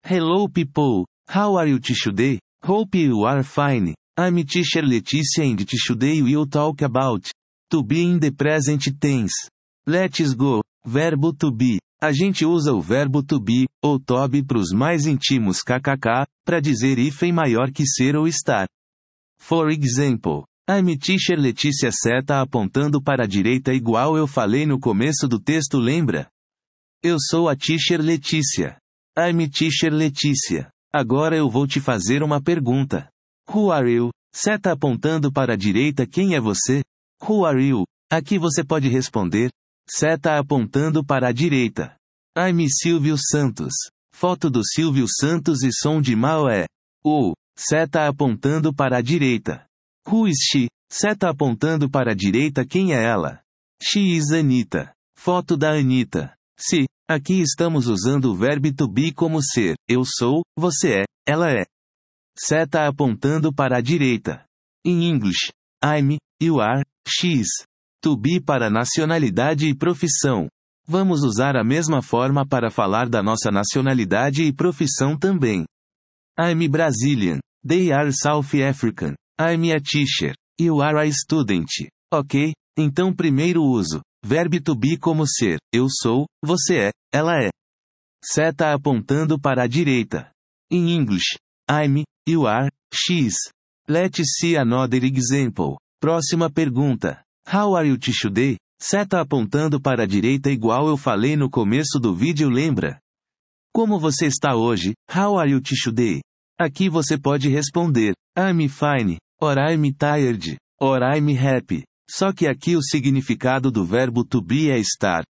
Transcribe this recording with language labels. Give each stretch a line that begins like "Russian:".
English: Hello people, how are you today? Hope you are fine. I'm teacher Leticia and today we'll talk about to be in the present tense. Let's go. Verbo to be.
Portuguese: A gente usa o verbo to be, ou to be para os mais íntimos kkk, para dizer if em maior que ser ou estar.
English: For example, I'm teacher Leticia
Portuguese: seta apontando para a direita igual eu falei no começo do texto, lembra? Eu sou a teacher Leticia.
English: I'm teacher Leticia.
Portuguese: Agora eu vou te fazer uma pergunta.
English: Who are you?
Portuguese: Seta apontando para a direita, quem é você?
English: Who are you?
Portuguese: Aqui você pode responder. Seta apontando para a direita.
English: I'm Silvio Santos.
Portuguese: Foto do Silvio Santos e som de Maué. Seta apontando para a direita.
English: Who is she?
Portuguese: Seta apontando para a direita, quem é ela?
English: She is Anita.
Portuguese: Foto da Anita. Se, aqui estamos usando o verbo to be como ser. Eu sou, você é, ela é. Seta apontando para a direita.
English: In English, I'm, you are, she's.
Portuguese: To be para nacionalidade e profissão. Vamos usar a mesma forma para falar da nossa nacionalidade e profissão também.
English: I'm Brazilian. They are South African. I'm a teacher. You are a student.
Portuguese: Ok? Então primeiro uso. Verbo to be como ser. Eu sou, você é, ela é. Seta apontando para a direita.
English: In English, I'm, you are, she's. Let's see another example.
Portuguese: Próxima pergunta.
English: How are you today?
Portuguese: Seta apontando para a direita igual eu falei no começo do vídeo, lembra? Como você está hoje?
English: How are you today?
Portuguese: Aqui você pode responder.
English: I'm fine. Or I'm tired. Or I'm happy.
Portuguese: Só que aqui o significado do verbo to be é estar.